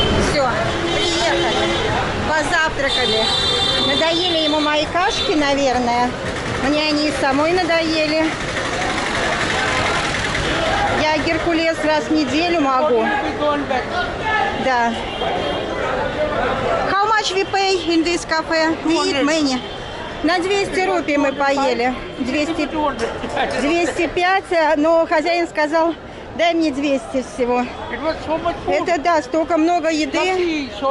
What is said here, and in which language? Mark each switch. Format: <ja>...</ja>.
<ru>Все, приехали, позавтракали. Надоели ему мои кашки, наверное. Мне они и самой надоели. Я геркулес раз в неделю могу. Да.</ru> <en>How much we pay in this cafe? We eat many.</en> <ru>На 200 рупий мы поели. 205, но хозяин сказал, дай мне 200 всего. Это да, столько много еды.</ru>